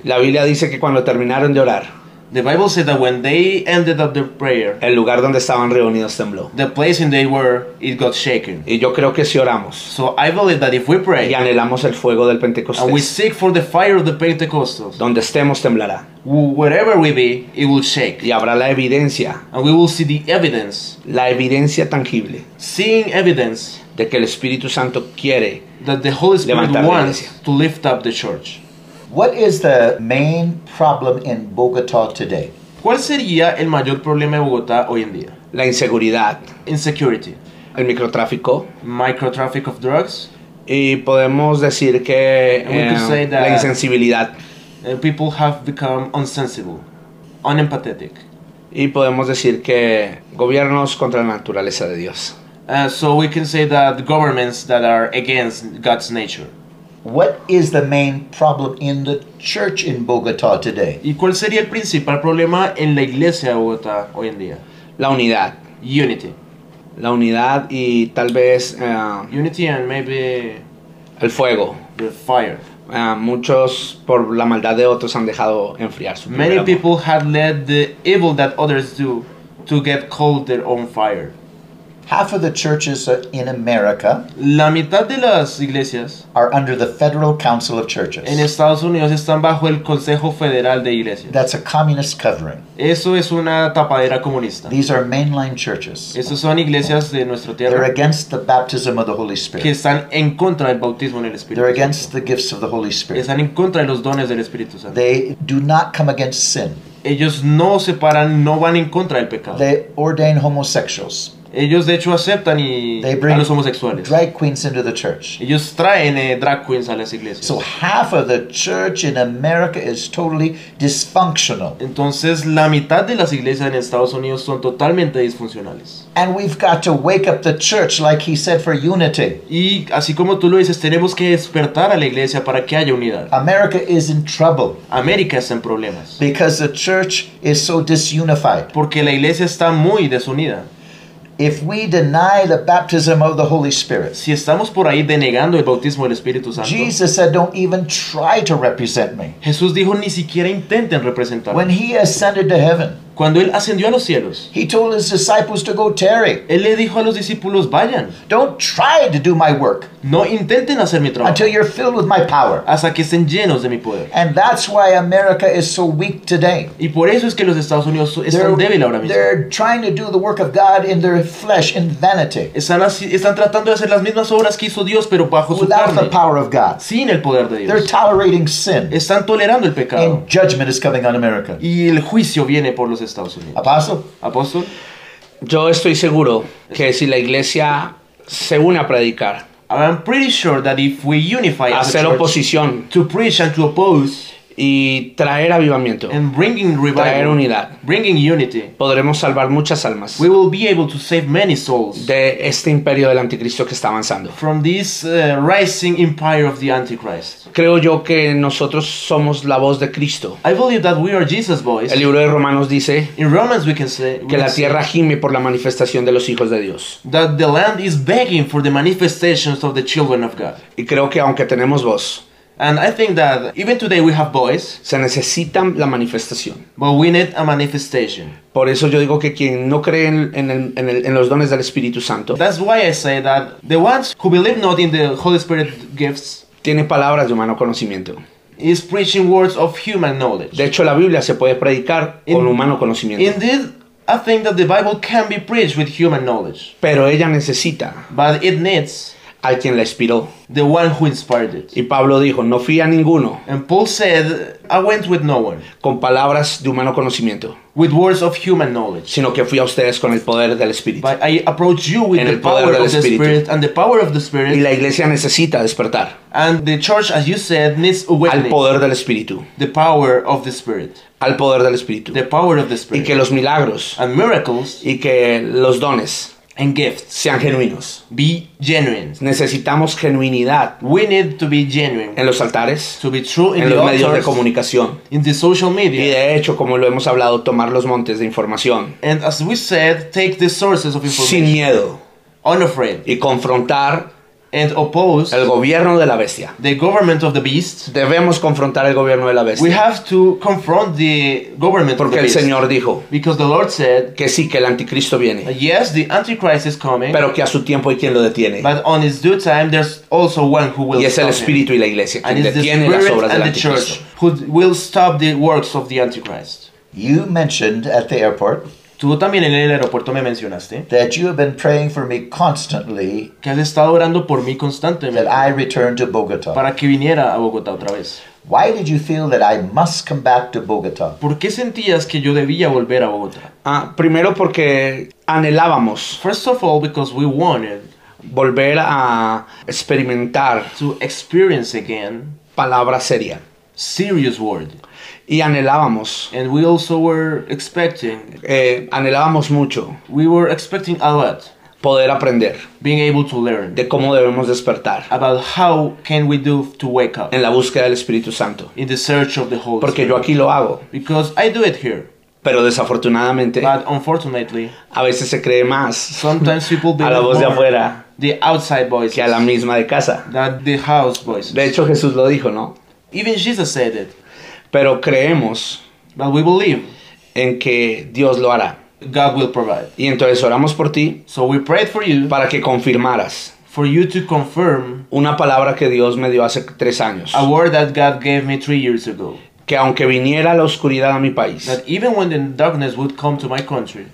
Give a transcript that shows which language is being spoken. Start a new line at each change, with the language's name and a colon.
Spanish: La Biblia dice que cuando terminaron de orar,
English: the Bible said that when they ended up their prayer,
Spanish: el lugar donde estaban reunidos tembló.
English: The place in they were, it got shaken.
Spanish: Y yo creo que si oramos,
English: so I believe that if we pray,
Spanish: y anhelamos el fuego del Pentecostés,
English: and we seek for the fire of the Pentecostals,
Spanish: donde estemos temblará.
English: Wherever we be, it will shake.
Spanish: Y habrá la evidencia,
English: and we will see the evidence,
Spanish: la evidencia tangible,
English: seeing evidence,
Spanish: de que el Espíritu Santo quiere,
English: that the Holy Spirit wants to lift up the church. What is the main problem in Bogotá today?
Spanish: ¿Cuál sería el mayor problema de Bogotá hoy en día? La inseguridad.
English: Insecurity.
Spanish: El microtráfico.
English: Microtraffic of drugs.
Spanish: Y podemos decir que la insensibilidad.
English: People have become insensible, unempathetic.
Spanish: Y podemos decir que gobiernos contra la naturaleza de Dios.
English: So we can say that governments that are against God's nature. What is the main problem in the church in Bogotá today?
Spanish: ¿Y cuál sería el principal problema en la iglesia de Bogotá hoy en día? La unidad.
English: Unity.
Spanish: La unidad y tal vez...
English: Unity and maybe...
Spanish: El fuego.
English: The fire.
Spanish: Muchos por la maldad de otros han dejado enfriar su
English: Many people have let the evil that others do to get cold their own fire. Half of the churches in America,
Spanish: la mitad de las iglesias,
English: are under the Federal Council of Churches.
Spanish: En Estados Unidos están bajo el Consejo Federal de Iglesias.
English: That's a communist covering.
Spanish: Eso es una tapadera comunista.
English: These are mainline churches.
Spanish: Esos son iglesias de nuestra tierra.
English: They're against the baptism of the Holy Spirit.
Spanish: Que están en contra del bautismo en el Espíritu.
English: They're against the gifts of the Holy Spirit.
Spanish: Están en contra de los dones del Espíritu Santo.
English: They do not come against sin.
Spanish: Ellos no se paran, no van en contra del pecado.
English: They ordain homosexuals.
Spanish: Ellos de hecho aceptan y
English: they bring
Spanish: a los homosexuales.
English: Drag queens into the church.
Spanish: Ellos traen drag queens a las iglesias.
English: So half of the church in America is totally dysfunctional.
Spanish: Entonces la mitad de las iglesias en Estados Unidos son totalmente disfuncionales.
English: And we've got to wake up the church like he said for unity.
Spanish: Y así como tú lo dices, tenemos que despertar a la iglesia para que haya unidad.
English: America is in trouble.
Spanish: América está en problemas.
English: Because the church is so disunified.
Spanish: Porque la iglesia está muy desunida.
English: If we deny the baptism of the Holy Spirit,
Spanish: si estamos por ahí denegando el bautismo del Espíritu Santo,
English: Jesus said, "Don't even try to represent me."
Spanish: Jesús dijo, ni siquiera intenten representarme.
English: When he ascended to heaven,
Spanish: Cuando él ascendió a los cielos,
English: he told his disciples to go tarry.
Spanish: Él le dijo a los discípulos, vayan.
English: Don't try to do my work.
Spanish: No intenten hacer mi trabajo.
English: Until you're filled with my power.
Spanish: Hasta que estén llenos de mi poder.
English: And that's why America is so weak today.
Spanish: Y por eso es que los Estados Unidos están débiles ahora mismo.
English: They're trying to do the work of God in their flesh, in vanity.
Spanish: Están tratando de hacer las mismas obras que hizo Dios, pero bajo su
English: Without
Spanish: carne.
English: The power of God.
Spanish: Sin el poder de Dios.
English: They're tolerating sin.
Spanish: Están tolerando el pecado.
English: And judgment is coming on America.
Spanish: Y el juicio viene por los Estados Unidos. Apóstol. Yo estoy seguro que si la iglesia se une a predicar,
English: I'm pretty sure that if we unify
Spanish: a hacer oposición,
English: to preach and to oppose,
Spanish: y traer avivamiento,
English: and bringing revival,
Spanish: traer unidad,
English: bringing unity,
Spanish: podremos salvar muchas almas.
English: We will be able to save many souls
Spanish: de este imperio del anticristo que está avanzando.
English: From this rising empire of the Antichrist.
Spanish: Creo yo que nosotros somos la voz de Cristo.
English: I believe that we are Jesus' voice.
Spanish: El libro de Romanos dice,
English: in Romans we can say,
Spanish: que la tierra gime por la manifestación de los hijos de Dios.
English: That the land is begging for the manifestations of the children of God.
Spanish: Y creo que aunque tenemos voz,
English: and I think that even today we have voice,
Spanish: se necesita la manifestación.
English: But we need a manifestation.
Spanish: Por eso yo digo que quien no cree en los dones del Espíritu Santo,
English: that's why I say that the ones who believe not in the Holy Spirit gifts,
Spanish: tiene palabras de humano conocimiento.
English: Is preaching words of human knowledge.
Spanish: De hecho, la Biblia se puede predicar con humano conocimiento.
English: Indeed, I think that the Bible can be preached with human knowledge.
Spanish: Pero ella necesita.
English: But it needs.
Spanish: A quien la inspiró.
English: The one who inspired it.
Spanish: Y Pablo dijo, no fui a ninguno.
English: And Paul said, I went with no one.
Spanish: Con palabras de humano conocimiento.
English: With words of human knowledge.
Spanish: Sino que fui a ustedes con el poder del Espíritu.
English: But I approached you with
Spanish: en
English: the power of
Spanish: Espíritu.
English: The Spirit and the power of the Spirit.
Spanish: Y la iglesia necesita despertar.
English: And the church, as you said, needs awakening.
Spanish: Al poder del Espíritu.
English: The power of the Spirit.
Spanish: Al poder del Espíritu.
English: The power of the Spirit.
Spanish: Y que los milagros.
English: And miracles.
Spanish: Y que los dones.
English: And gifts.
Spanish: Sean genuinos.
English: Be genuine.
Spanish: Necesitamos genuinidad.
English: We need to be genuine.
Spanish: En los altares.
English: To be true in
Spanish: en
English: the
Spanish: los
English: altars,
Spanish: medios de comunicación.
English: In the social media.
Spanish: Y de hecho, como lo hemos hablado, tomar los montes de información.
English: And as we said, take the sources of information.
Spanish: Sin miedo.
English: Unafraid.
Spanish: Y confrontar.
English: And oppose.
Spanish: El gobierno de la bestia.
English: The government of the beast.
Spanish: Debemos confrontar el gobierno de la bestia.
English: We have to confront the government
Spanish: porque
English: of the beast.
Spanish: Porque el Señor dijo.
English: Because the Lord said.
Spanish: Que sí, que el anticristo viene.
English: Yes, the antichrist is coming.
Spanish: Pero que a su tiempo hay quien lo detiene.
English: But on his due time, there's also one who will stop him.
Spanish: Y es el espíritu
English: him.
Spanish: Y la iglesia quien detiene las obras del anticristo.
English: And the spirit and the church who will stop the works of the antichrist. You mentioned at the airport.
Spanish: Tú también en el aeropuerto me mencionaste
English: that you have been praying for me constantly,
Spanish: que has estado orando por mí constantemente,
English: that I return to Bogotá,
Spanish: para que viniera a Bogotá otra vez.
English: Why did you feel that I must come back to Bogotá?
Spanish: ¿Por qué sentías que yo debía volver a Bogotá? Primero porque anhelábamos.
English: First of all, because we wanted
Spanish: volver a experimentar
English: to experience again
Spanish: palabra seria,
English: serious word.
Spanish: Y anhelábamos.
English: And we also were expecting.
Spanish: Anhelábamos mucho.
English: We were expecting a lot.
Spanish: Poder aprender.
English: Being able to learn.
Spanish: De cómo debemos despertar.
English: About how can we do to wake up.
Spanish: En la búsqueda del Espíritu Santo.
English: In the search of the Holy
Spanish: Porque
English: Spirit.
Spanish: Porque yo aquí lo hago.
English: Because I do it here.
Spanish: Pero desafortunadamente.
English: But unfortunately.
Spanish: A veces se cree más.
English: Sometimes people believe
Spanish: a la voz de afuera.
English: The outside voices.
Spanish: Que a la misma de casa.
English: That the house voices.
Spanish: De hecho Jesús lo dijo, ¿no?
English: Even Jesus said it.
Spanish: Pero creemos,
English: but we believe,
Spanish: en que Dios lo hará.
English: God will provide.
Spanish: Y entonces oramos por ti,
English: so we prayed for you,
Spanish: para que confirmaras,
English: for you to confirm,
Spanish: una palabra que Dios me dio hace 3 años,
English: a word that God gave me 3 years ago,
Spanish: que aunque viniera la oscuridad a mi país,
English: that even when the darkness would come to my country,